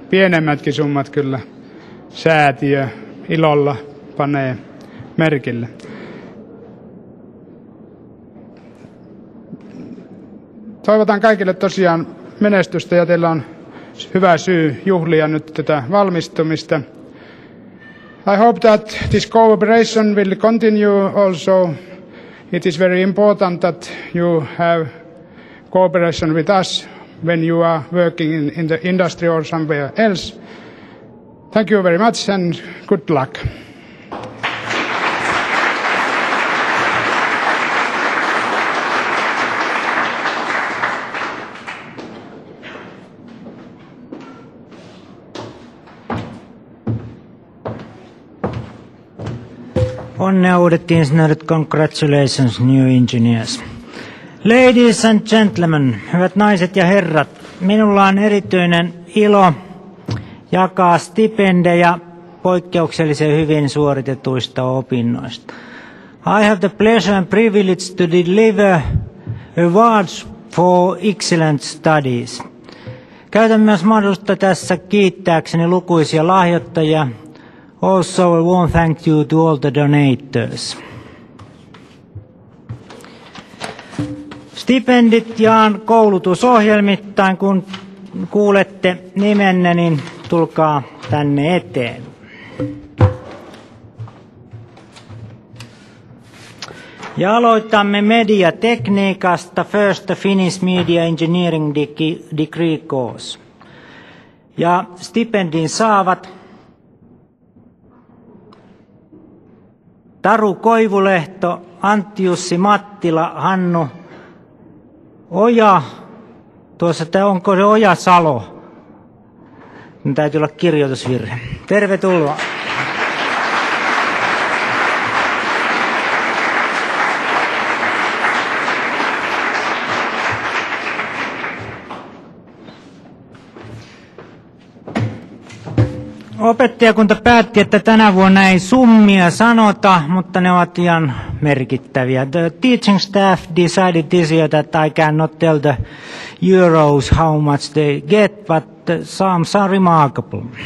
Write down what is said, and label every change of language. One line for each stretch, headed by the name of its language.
Finnish: Pienemmätkin summat kyllä säätiö ilolla panee merkille. Toivotan kaikille tosiaan menestystä ja teillä on hyvä syy juhlia nyt tätä valmistumista.
English: I hope that this cooperation will continue also. It is very important that you have cooperation with us when you are working in the industry or somewhere else. Thank you very much and good luck.
Finnish: Onnea uudet insinöörit,
English: congratulations new engineers. Ladies and gentlemen,
Finnish: hyvät naiset ja herrat, minulla on erityinen ilo jakaa stipendejä poikkeuksellisen hyvin suoritetuista opinnoista.
English: I have the pleasure and privilege to deliver awards for excellent studies.
Finnish: Käytän myös mahdollisuutta tässä kiittääkseni lukuisia lahjoittajia.
English: Also a warm thank you to all the donators.
Finnish: Stipendit jaan koulutusohjelmittain, kun kuulette nimenne, niin tulkaa tänne eteen. Ja aloitamme mediatekniikasta,
English: first the Finnish Media Engineering Degree Course.
Finnish: Ja stipendin saavat Taru Koivulehto, Antti-Jussi Mattila, Hannu Oja, tuossa tämä onko se Oja Salo? Minun täytyy olla kirjoitusvirhe. Tervetuloa. Opettajakunta päätti, että tänä vuonna ei summia sanota, mutta ne ovat ihan merkittäviä.
English: The teaching staff decided this year that I cannot tell the euros how much they get, but sums are remarkable.